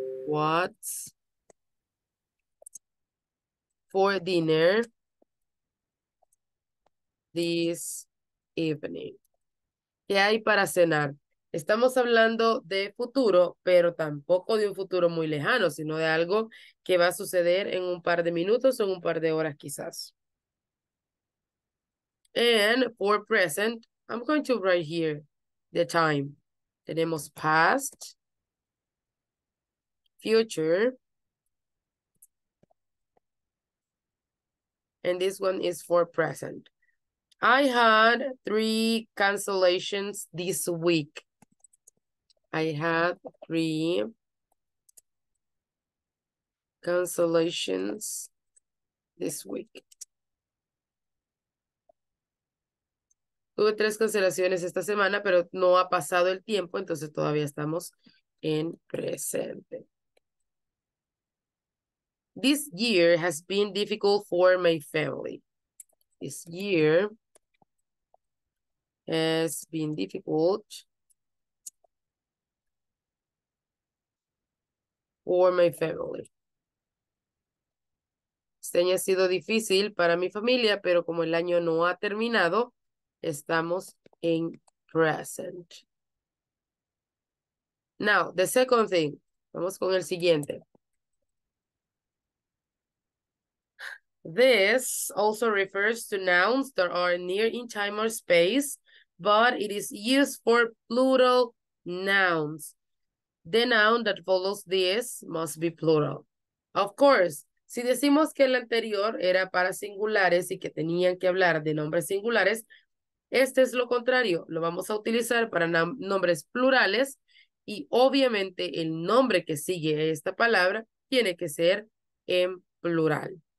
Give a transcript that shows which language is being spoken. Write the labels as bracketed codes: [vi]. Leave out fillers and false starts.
[en] What's for dinner this evening? [es] ¿Qué hay para cenar? Estamos hablando de futuro, pero tampoco de un futuro muy lejano, sino de algo que va a suceder en un par de minutos o en un par de horas quizás. [en] And for present, I'm going to write here the time. [es] Tenemos [en] past, future, and this one is for present. I had 3 cancellations this week. I had 3 cancellations this week. [es] Tuve 3 cancelaciones esta semana, pero no ha pasado el tiempo, entonces todavía estamos en presente. [en] This year has been difficult for my family. This year has been difficult for my family. [es] Este año ha sido difícil para mi familia, pero como el año no ha terminado, estamos en present. [en] Now, the second thing. [es] Vamos con el siguiente. [en] This also refers to nouns that are near in time or space, but it is used for plural nouns. The noun that follows this must be plural. Of course, [es] Si decimos que el anterior era para singulares y que tenían que hablar de nombres singulares, este es lo contrario. Lo vamos a utilizar para nombres plurales y obviamente el nombre que sigue a esta palabra tiene que ser en plural.